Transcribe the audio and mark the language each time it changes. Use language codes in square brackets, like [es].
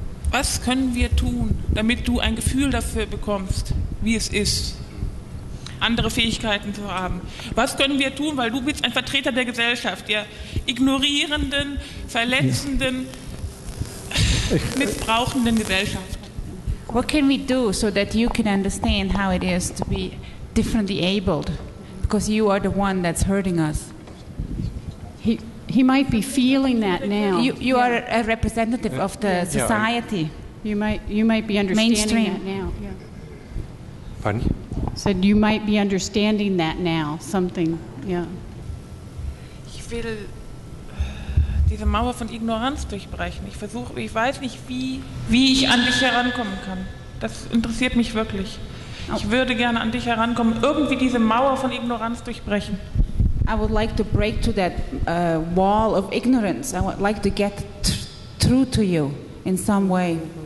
[de] Was können wir tun, damit du ein Gefühl dafür bekommst, wie es ist, andere Fähigkeiten zu haben? Was können wir tun, weil du bist ein Vertreter der Gesellschaft, der ignorierenden, verletzenden, missbrauchenden Gesellschaft? [en] What can we do so that you can understand how it is to be differently abled? Because you are the one that's hurting us. He might be feeling that now. You are a representative of the society. You might be understanding mainstream. That now. Yeah. Pardon? Said you might be understanding that now, something, [de] Ich will diese Mauer von Ignoranz durchbrechen. Ich versuche, ich weiß nicht, wie ich an dich herankommen kann. Das interessiert mich wirklich. Ich würde gerne an dich herankommen, irgendwie diese Mauer von Ignoranz durchbrechen. [en] I would like to break to that wall of ignorance. I would like to get through to you in some way.